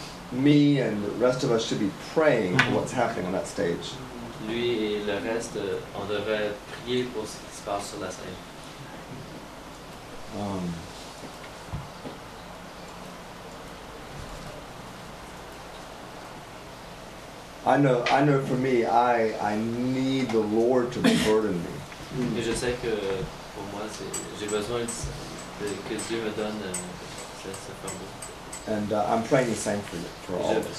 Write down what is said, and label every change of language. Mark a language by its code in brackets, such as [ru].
[en] Me and the rest of us should be praying for what's happening on that stage. [fr] Lui et le reste, on devrait prier pour ce qui se passe sur la scène. [en] I know for me, I need the Lord to burden me. [fr] Et je sais que pour moi, j'ai besoin que Dieu me donne ce fardeau. [en] And I'm praying the same for all of us.